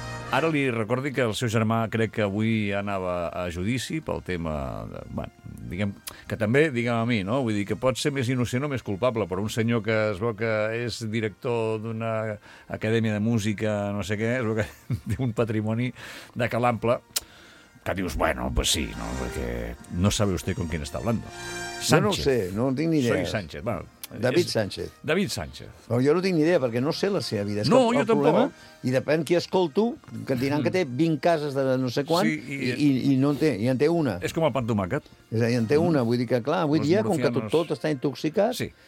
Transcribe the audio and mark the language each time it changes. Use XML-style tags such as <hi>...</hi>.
<ca>Ara li recordi que el seu germà crec que avui anava a judici pel tema... De, bueno, diguem, que també, diguem a mi, no? Vull dir que pot ser més innocent o més culpable, però un senyor que es veu que és director d'una acadèmia de música, no sé què, es veu que té un patrimoni de calample, que dius, bueno, pues sí, no?</ca> <es>Perquè no sabe usted con quién está hablando.</es> <ca>Sánchez. Jo no ho sé, no en tinc ni idea.</ca> <es>Soy Sánchez, bueno... David Sánchez. David Sánchez.</es> <ca>No, jo no tinc ni idea, perquè no sé la seva vida. És no, jo tampoc. Problema, i depèn qui escolto, que diran que té 20 cases de no sé quan, sí, i no en té, i en té una. És com el pa amb tomàquet. És a dir, en té una, vull dir que, clar, avui dia, com que tot està intoxicat, sí.</ca>